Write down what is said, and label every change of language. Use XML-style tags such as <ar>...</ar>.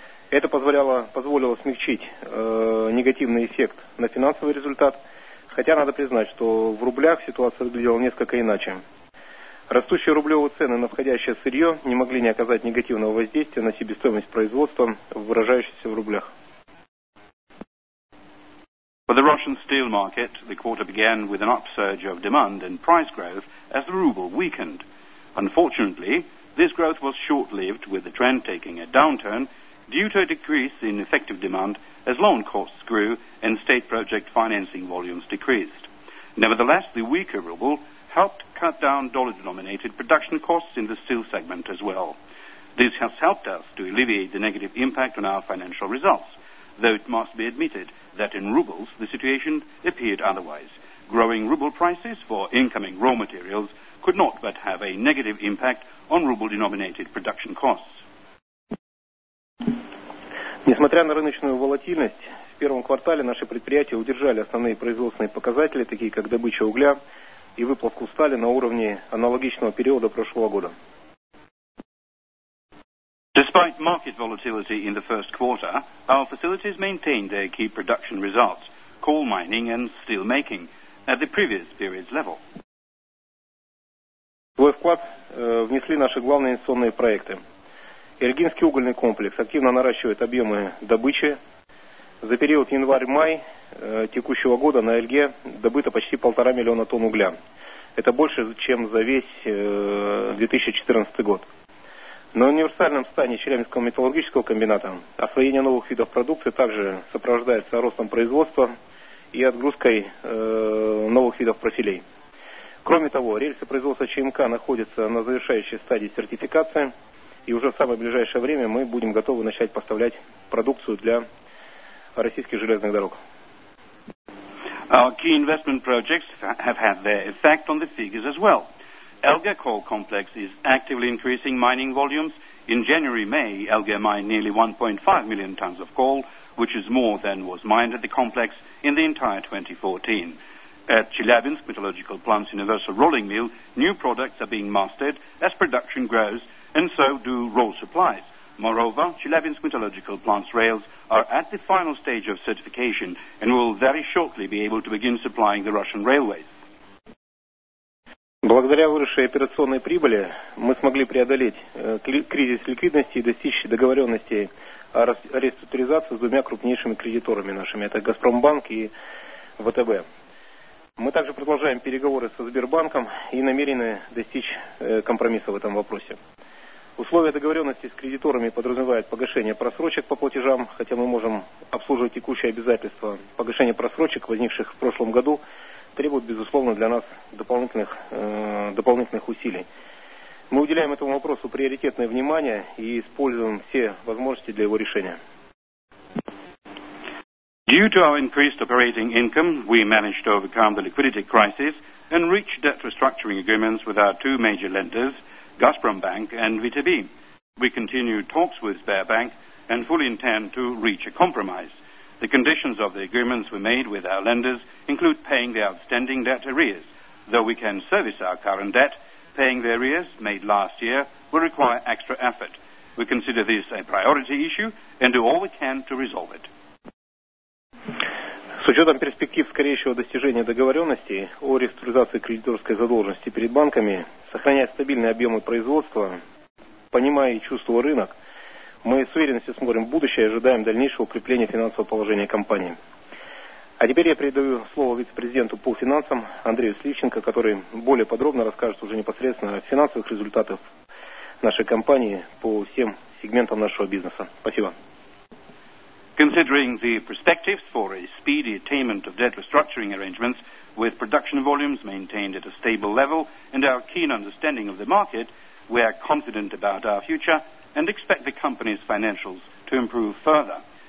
<ru>Это позволило смягчить негативный эффект на финансовый результат, хотя надо признать, что в рублях ситуация выглядела несколько иначе. Растущие рублевые цены на входящее сырье не могли не оказать негативного воздействия на себестоимость производства, выражающейся в рублях.</ru> <en>For the Russian steel market, the quarter began with an upsurge of demand and price growth as the ruble weakened. Unfortunately, this growth was short-lived, with the trend taking a downturn due to a decrease in effective demand as loan costs grew and state project financing volumes decreased. Nevertheless, the weaker ruble helped cut down dollar-denominated production costs in the steel segment as well. This has helped us to alleviate the negative impact on our financial results, though it must be admitted that in rubles the situation appeared otherwise. Growing ruble prices for incoming raw materials could not but have a negative impact on ruble-denominated production costs.</en> <ru>Несмотря на рыночную волатильность, в первом квартале наши предприятия удержали основные производственные показатели, такие как добыча угля и выплавку стали, на уровне аналогичного периода прошлого года.</ru> <en>Despite market volatility in the first quarter, our facilities maintained their key production results, coal mining and steel making, at the previous period's level.</en> <ru>Свой вклад внесли наши главные инвестиционные проекты. Ильгинский угольный комплекс активно наращивает объемы добычи. За период январь-май текущего года на Ильге добыто почти 1,5 миллиона тонн угля. Это больше, чем за весь 2014 год. На универсальном стане Челябинского металлургического комбината освоение новых видов продукции также сопровождается ростом производства и отгрузкой новых видов профилей. Кроме того, рельсы производства ЧМК находятся на завершающей стадии сертификации, и уже в самое ближайшее время мы будем готовы начать поставлять продукцию для российских железных дорог.</ru> <en>Our key investment projects have had their effect on the figures as well. Elgar Coal Complex is actively increasing mining volumes. In January-May, Elgar mined nearly 1.5 million tons of coal, which is more than was mined at the complex in the entire 2014. At Chelyabinsk Metallurgical Plant's Universal Rolling Mill, new products are being mastered as production grows, and so do roll supplies. Moreover, Chelyabinsk Metallurgical Plant's rails are at the final stage of certification and will very shortly be able to begin supplying the Russian railways.</en> <ru>Благодаря выросшей операционной прибыли мы смогли преодолеть кризис ликвидности и достичь договоренности о реструктуризации с двумя крупнейшими кредиторами нашими, это Газпромбанк и ВТБ. Мы также продолжаем переговоры со Сбербанком и намерены достичь компромисса в этом вопросе. Условия договоренности с кредиторами подразумевают погашение просрочек по платежам, хотя мы можем обслуживать текущие обязательства. Погашение просрочек, возникших в прошлом году, требует, безусловно, для нас дополнительных усилий. Мы уделяем этому вопросу приоритетное внимание и используем все возможности для его решения.</ru> <en>Due to our increased operating income, we managed to overcome the liquidity crisis and reach debt restructuring agreements with our two major lenders, Gazprombank and VTB. We continue talks with Sberbank and fully intend to reach a compromise. The conditions of the agreements we made with our lenders include paying the outstanding debt arrears. Though we can service our current debt, paying the arrears made last year will require extra effort. We consider this a priority issue and do all we can to resolve it.</en> <ru>С учетом перспектив скорейшего достижения договоренности о реструктуризации кредиторской задолженности перед банками, сохраняя стабильные объемы производства, понимая и чувствуя рынок, мы с уверенностью смотрим в будущее и ожидаем дальнейшего укрепления финансового положения компании. А теперь я передаю слово вице-президенту по финансам Андрею Сливченко, который более подробно расскажет уже непосредственно о финансовых результатах нашей компании по всем сегментам нашего бизнеса. Спасибо.</ru> <en>Considering the perspectives for a speedy attainment of debt restructuring arrangements, with production volumes maintained at a stable level and our keen understanding of the market, we are confident about our future and expect the company's financials to improve further.</en>